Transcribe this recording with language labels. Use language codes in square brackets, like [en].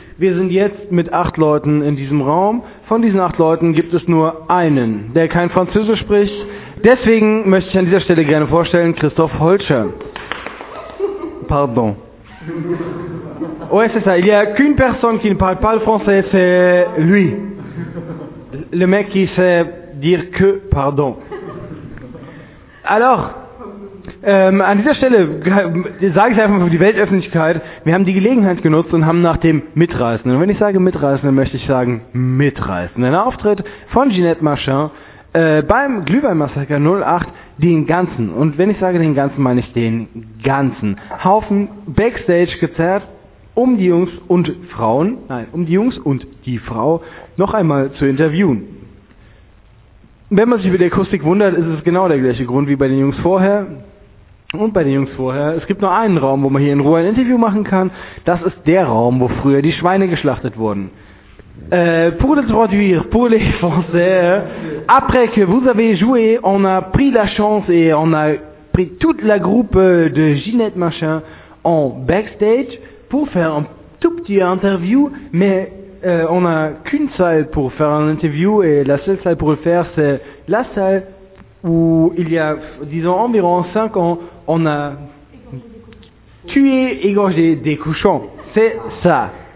[de] Wir sind jetzt mit 8 Leuten in diesem Raum. Von diesen 8 Leuten gibt es nur einen, der kein Französisch spricht. Deswegen möchte ich an dieser Stelle gerne vorstellen, Christophe Holscher. [fr] Pardon. Ouais, c'est ça. Il y a qu'une personne qui ne parle pas le français, c'est lui. Le mec qui sait dire que pardon. [de] Alors, an dieser Stelle sage ich einfach für die Weltöffentlichkeit, wir haben die Gelegenheit genutzt und haben nach dem Mitreißenden, und wenn ich sage Mitreißenden, möchte ich sagen Mitreißenden Auftritt von Ginette Marchand beim Glühweinmassaker 08 den ganzen, und wenn ich sage den ganzen, meine ich den ganzen Haufen Backstage gezerrt, um die Jungs und Frauen, nein, um die Jungs und die Frau noch einmal zu interviewen. Wenn man sich über die Akustik wundert, ist es genau der gleiche Grund wie bei den Jungs vorher. Und bei den Jungs vorher, es gibt nur einen Raum, wo man hier in Ruhe ein Interview machen kann. Das ist der Raum, wo früher die Schweine geschlachtet wurden. [fr] Pour le traduire, pour les Français, après que vous avez joué, on a pris la chance et on a pris toute la groupe de Ginette Machin en backstage pour faire un tout petit interview, mais on a qu'une salle pour faire un interview et la seule salle pour le faire, c'est la salle où il y a, disons, environ 5 ans, on a tué, égorgé des couchons. C'est ça.